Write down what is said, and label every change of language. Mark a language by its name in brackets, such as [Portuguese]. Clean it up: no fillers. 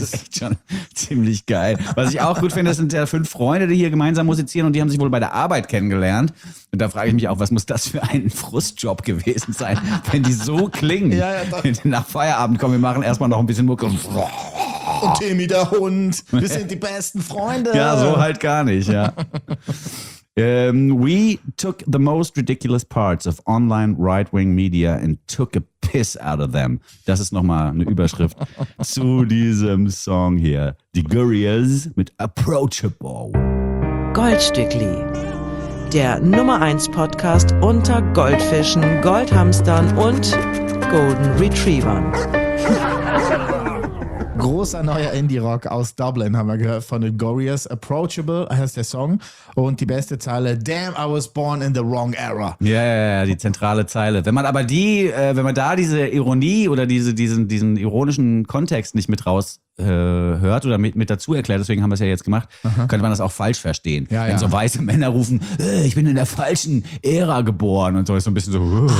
[German] Das ist echt schon ziemlich geil. Was ich auch gut finde, das sind ja 5 Freunde, die hier gemeinsam musizieren und die haben sich wohl bei der Arbeit kennengelernt. Und da frage ich mich auch, was muss das für ein Frustjob gewesen sein, wenn die so klingen? Ja, ja, doch. Wenn die nach Feierabend kommen, wir machen erstmal noch ein bisschen Mucke. Und Timmy der Hund, wir sind die besten Freunde. Ja, so halt gar nicht, ja. [English] We took the most ridiculous parts of online right-wing media and took a piss out of them. [German] Das ist nochmal eine Überschrift zu diesem Song hier. Die Gurriers mit Approachable. Goldstückli, der Nummer 1 Podcast unter Goldfischen, Goldhamstern und Golden Retrievern. Großer neuer Indie-Rock aus Dublin, haben wir gehört, von den Gurriers. Approachable heißt der Song. Und die beste Zeile, [English] damn, I was born in the wrong era. [German] Ja, ja, ja, die zentrale Zeile. Wenn man aber wenn man da diese Ironie oder diesen ironischen Kontext nicht mit raus hört oder mit dazu erklärt, deswegen haben wir es ja jetzt gemacht, könnte man das auch falsch verstehen. Ja, wenn so weiße Männer rufen, ich bin in der falschen Ära geboren und so, ist so ein bisschen so.